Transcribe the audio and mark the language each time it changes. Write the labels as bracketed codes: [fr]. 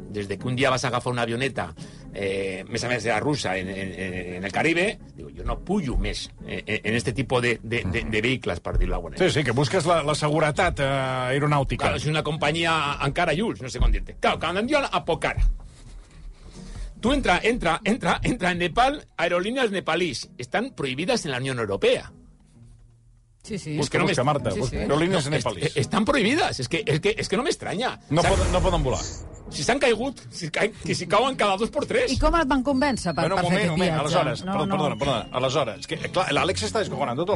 [ca] Des que un dia vas agafar una avioneta, més a més de la russa, en el Caribe, digo, jo no pujo més en aquest tipus de vehicles, per dir-ho d'alguna manera. Sí, sí, que busques la seguretat aeronàutica. Claro, és una companyia encara llulls, no sé com dir-te. Claro, quan em diuen a Pokhara. [es] Tú entra en Nepal, aerolíneas nepalís. Están prohibidas en la Unión Europea. Sí, sí. Busca Marta, sí, sí. Aerolíneas nepalís. Están prohibidas, es que no me extraña. [ca] No poden volar. Si s'han caigut, si cauen cada 2 por 3. I com et van convèncer per fer aquest viatge? Aleshores, perdona. Aleshores, que, clar, l'Àlex està descojonant tot el